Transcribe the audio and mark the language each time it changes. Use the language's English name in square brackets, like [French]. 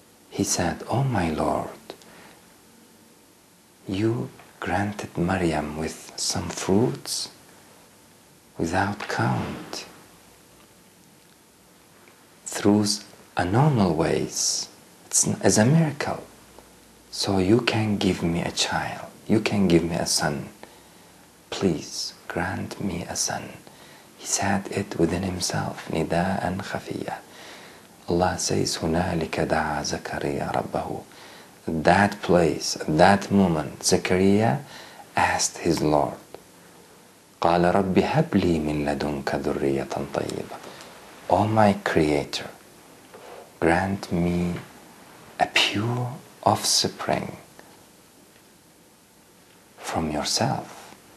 [English] He said, oh my Lord, you granted Maryam with some fruits without count, through a normal ways. It's a miracle. So you can give me a child. You can give me a son. Please grant me a son. He said it within himself. [Arabic] Nida'an khafiyya. [English] Allah says, [Arabic] هُنَالِكَ دَعَى زَكَرِيَّ رَبَّهُ. [English] That place, that moment, Zakaria asked his Lord. [Arabic] قَالَ رَبِّ هَبْ لِي مِنْ لَدُنْكَ ذُرِّيَّةً طَيِّبًا. [English] O my Creator, grant me a pure offspring from yourself.